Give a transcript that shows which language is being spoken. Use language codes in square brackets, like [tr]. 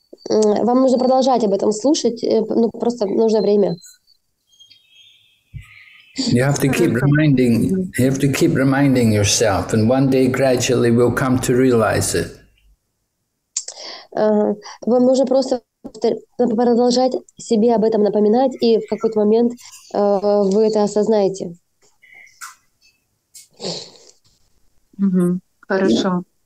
[ru] Вам нужно продолжать об этом слушать, ну просто нужно время. [en] You have to keep reminding. You have to keep reminding yourself, and one day gradually we'll come to realize it. [ru] Вам нужно просто продолжать себе об этом напоминать, и в какой-то момент вы это осознаете. Хорошо.